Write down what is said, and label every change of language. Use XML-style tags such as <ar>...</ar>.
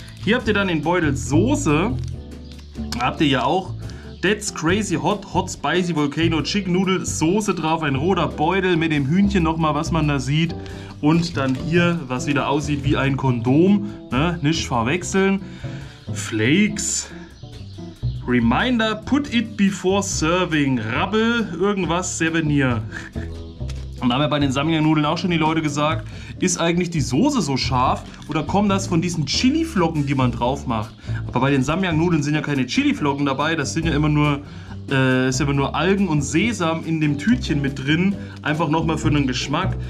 <de>Hier habt ihr dann den Beutel Soße. Habt ihr ja auch.</de> <en>That's crazy hot, hot spicy volcano chicken noodle</en> <de>Soße drauf, ein roter Beutel mit dem Hühnchen nochmal, was man da sieht. Und dann hier, was wieder aussieht wie ein Kondom, ne? Nicht verwechseln. Flakes.</de> <en>Reminder, put it before serving.</en> <de>Rubble, irgendwas, Souvenir. Und da haben ja bei den Samyang-Nudeln auch schon die Leute gesagt, ist eigentlich die Soße so scharf oder kommt das von diesen Chili-Flocken, die man drauf macht? Aber bei den Samyang-Nudeln sind ja keine Chili-Flocken dabei, das sind ja immer nur, ist immer nur Algen und Sesam in dem Tütchen mit drin, einfach nochmal für einen Geschmack.</de>